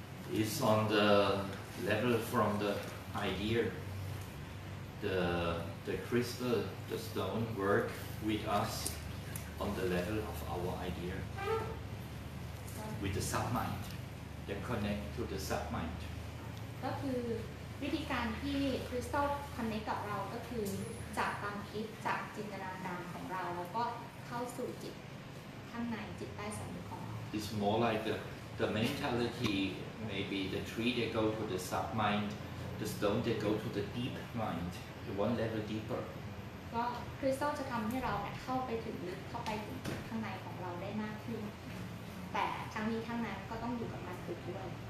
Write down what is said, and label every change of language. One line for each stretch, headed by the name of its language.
English: the It's on the level from the idea the crystal, the stone work with us on the level of our idea with the sub-mind that connect to the sub-mind
Thai: ก็คือวิธีการที่คริสตัลคอนเนคกับเราก็คือจากความคิดจากจินตนาการของเราแล้วก็เข้าสู่จิตข้างในจิตใต้สำนึกของเรา
English: It's more like the mentality maybe the tree that go to the sub-mindThe stone they go to the deep mind, the one level deeper.
Thai: ก็คริสตัลจะทำให้เราเข้าไปถึงลึกเข้าไปถึงข้างในของเราได้มากขึ้นแต่ทั้งนี้ทั้งนั้นก็ต้องอยู่กับมันถูกด้วย